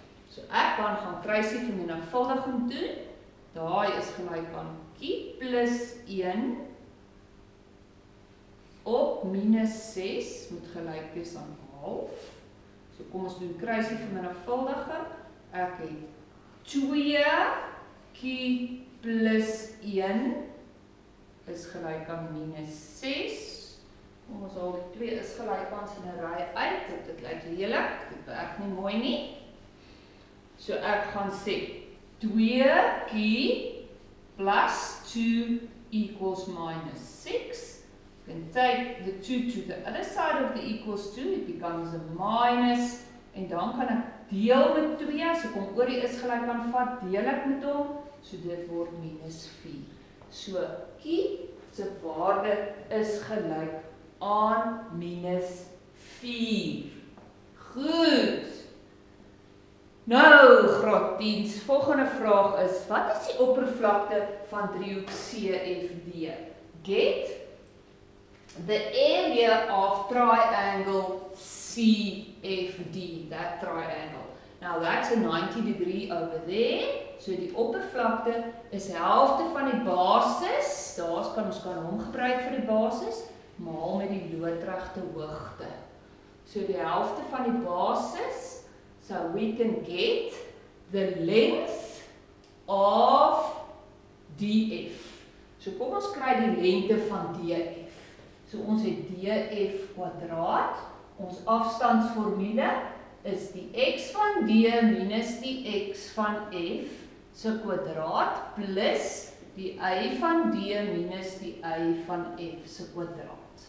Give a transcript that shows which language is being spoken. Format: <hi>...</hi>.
<af>So ek kan gaan kruisie vermenigvuldiging doen. Daai is gelyk aan q plus 1 op minus 6 moet gelyk wees aan 'n half. So kom ons doen kruisie vermenigvuldiging. Ek het 2 q plus 1 is gelyk aan minus 6. Kom ons haal die 2 is gelyk aan sien 'n raai uit. Dit lyk lelik, dit werk nie mooi nie. So ek gaan sê 2 q plus 2 equals minus 6.</af> <en>You can take the 2 to the other side of the equals 2, it becomes a minus.</en> <af>En dan kan ek deel met 2, as ek hom oor die is gelyk aan vat, deel ek met hom, so dit word minus 4. So, q se waarde is gelyk aan minus 4. Goed! Nou, graad 10, volgende vraag is, wat is die oppervlakte van driehoek CFD?</af> <en>Get the area of triangle CFD, that triangle. Now that's a 90 degree over there.</en> <af>So die oppervlakte is die helfte van die basis. Daar kan ons gaan hom gebruik vir die basis. Maal met die loodregte hoogte. So die helfte van die basis.</af> <en>So we can get the length of DF.</en> <af>So kom ons kry die lengte van DF. So ons het DF kwadraat. Ons afstandsformule is die x van d minus die x van f se kwadraat plus die y van d minus die y van f se kwadraat.</af>